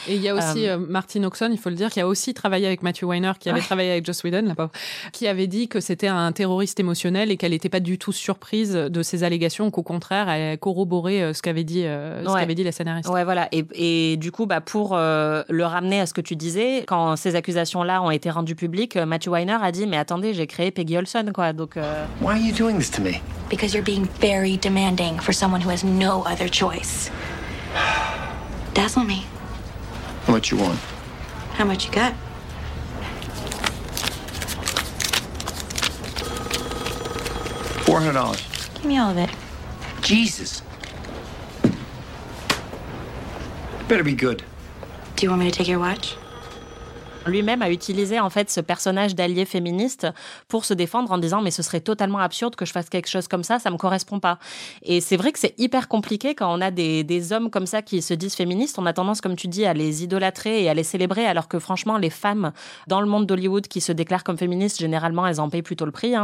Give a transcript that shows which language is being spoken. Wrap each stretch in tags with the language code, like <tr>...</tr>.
<fr>Et il y a aussi Martin Oxon, il faut le dire, qui a aussi travaillé avec Matthew Weiner, qui avait travaillé avec Joss Whedon, la pauvre, qui avait dit que c'était un terroriste émotionnel et qu'elle n'était pas du tout surprise de ces allégations, qu'au contraire, elle corroborait ce qu'avait dit, qu'avait dit la scénariste. Ouais, voilà. Et du coup, bah, pour le ramener à ce que tu disais, quand ces accusations-là ont été rendues publiques, Matthew Weiner a dit « Mais attendez, j'ai créé Peggy Olson, quoi. »</fr> <en>Why are you doing this to me? Because you're being very demanding for someone who has no other choice. Dazzle me. How much you want? How much you got? $400. Give me all of it. Jesus. It better be good. Do you want me to take your watch?</en> <fr>Lui-même a utilisé en fait ce personnage d'allié féministe pour se défendre en disant « mais ce serait totalement absurde que je fasse quelque chose comme ça, ça ne me correspond pas ». Et c'est vrai que c'est hyper compliqué quand on a des hommes comme ça qui se disent féministes. On a tendance, comme tu dis, à les idolâtrer et à les célébrer, alors que franchement, les femmes dans le monde d'Hollywood qui se déclarent comme féministes, généralement, elles en payent plutôt le prix. Hein.</fr>